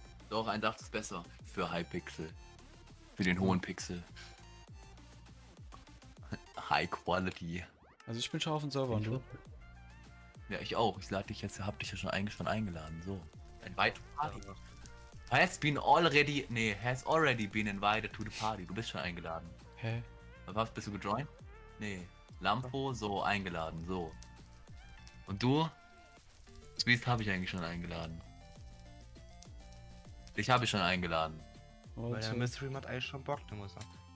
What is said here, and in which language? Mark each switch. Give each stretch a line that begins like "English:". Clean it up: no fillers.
German: Doch, 1.8 ist besser. Für Hypixel. Für den hohen Pixel.
English: High Quality.
German: Also ich bin schon auf dem Server, und du? Ja, ich auch. Ich lade dich jetzt, hab dich ja schon eigentlich schon eingeladen.
English: So. Invite to party. Has been already... Nee, has already been invited to the party.
German: Du bist schon eingeladen. Hä? Was, bist du gejoint? Nee. Lampo, so, eingeladen, so. Und du? Sweet habe ich eigentlich schon eingeladen. Dich habe ich schon eingeladen. Warte. Weil der Mystery hat eigentlich schon Bock, du musst sagen.